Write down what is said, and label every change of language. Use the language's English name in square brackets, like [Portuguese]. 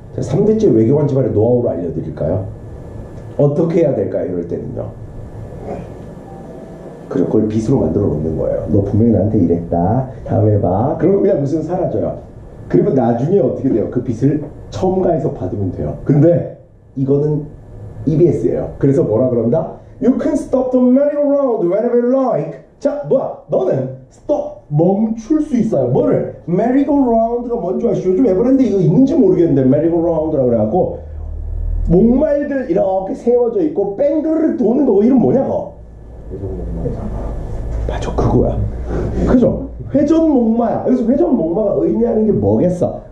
[Korean] 자, 3대째 외교관 집안의 노하우를 알려드릴까요? 어떻게 해야 될까요? 이럴 때는요. 그죠? 그걸 빚으로 만들어 놓는 거예요. 너 분명히 나한테 이랬다. 다음에 봐. 그럼 그냥 무슨 사라져요. 그리고 나중에 어떻게 돼요? 그 빚을 첨가해서 받으면 돼요. 근데 이거는 EBS예요. 그래서 뭐라 그런다? [English] You can stop the merry round whenever you like. [Korean] 자, 뭐야? 너는 stop 멈출 수 있어요. 뭐를? merry-go-round가 뭔지 아시죠? 요즘 에버랜드 이거 있는지 모르겠는데 merry-go-round라고 그래갖고 목말들 이렇게 세워져 있고 뱅글을 도는 거 이름 뭐냐고? 맞아, 그거야. 그죠? 회전 목마야. 여기서 회전 목마가 의미하는 게 뭐겠어?